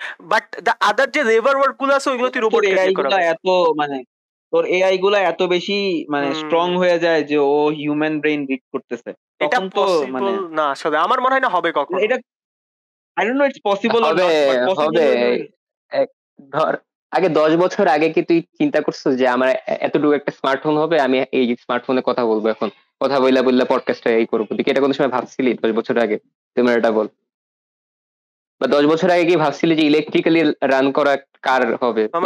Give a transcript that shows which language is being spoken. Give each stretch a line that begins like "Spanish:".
Bangla: But দা আদার যে labour work গুলো আছে ওইগুলো তুই রোবট ক্রিয়েট করবে, এত মানে তোর এআই গুলা এত বেশি মানে স্ট্রং হয়ে যায় যে ও হিউম্যান ব্রেইন রিড করতেছে, তখন তো মানে না আসলে আমার মনে হয় না হবে কখনো এটা।
English: I don't know it's possible
Bangla: হবে,
English: or not, but possible হবে।
Bangla: ধর আগে 10 বছর আগে কি তুই চিন্তা করছিস যে আমার এতটুকু একটা স্মার্টফোন হবে, আমি এই স্মার্টফোনে কথা বলবো, এখন কথা বললা বললা পডকাস্টটা এই করবো, তুই এটা কোন সময় ভাবছিলি 10 বছর আগে? তুমি এটা বল, বা 10 বছর আগে কি ভাবছিলি যে ইলেকট্রিক্যালি রান করা কার হবে?